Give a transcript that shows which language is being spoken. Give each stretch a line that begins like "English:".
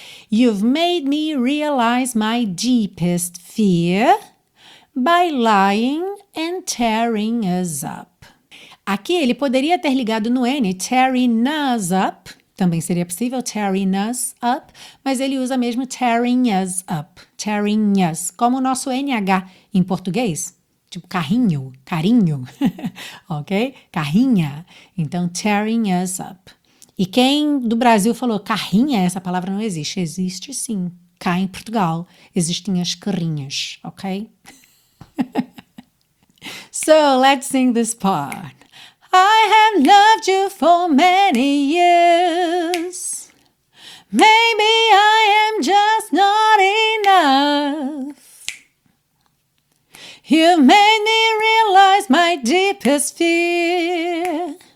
English: You've made me realize my deepest fear by lying and tearing us up.
Portuguese: Aqui ele poderia ter ligado no N,
English: tearing us up.
Portuguese: Também seria possível,
English: tearing us up.
Portuguese: Mas ele usa mesmo tearing us up. Tearing us. Como o nosso NH em português. Tipo carrinho, carinho. Ok? Carrinha. Então, tearing us up. E quem do Brasil falou carrinha, essa palavra não existe. Existe sim. Cá em Portugal existem as carrinhas, ok?
English: So, let's sing this part. I have loved you for many years. Maybe I am just not enough. You made me realize my deepest fear.